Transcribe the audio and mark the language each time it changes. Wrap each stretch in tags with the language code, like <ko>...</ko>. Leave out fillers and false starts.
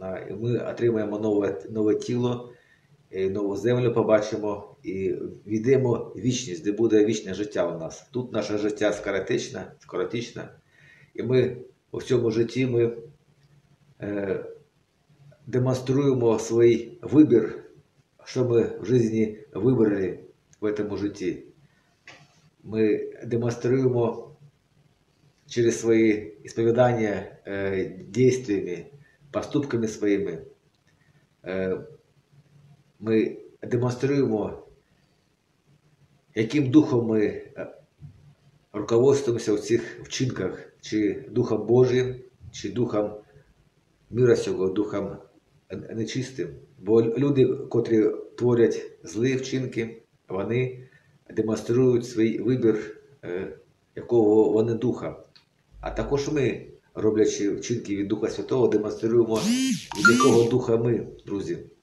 <uk>І ми отримаємо нове тіло, і нову землю побачимо, і війдемо в вічність, де буде вічне життя у нас. Тут наше життя скоротичне, і ми у цьому житті ми демонструємо свій вибір, що ми в житті вибрали в цьому житті.</uk> <ru>Мы демонстрируем через свои исповедания действиями, поступками своими, мы демонстрируем, каким духом мы руководствуемся в этих</ru> <uk>вчинках,</uk> <ru>чи духом Божьим, чи духом мира сего, духом нечистым.</ru> <uk>Бо люди, котрі творять злі вчинки, вони демонструють свій вибір, якого вони духа. А також ми, роблячи вчинки від Духа Святого, демонструємо, від якого духа ми, друзі.</uk>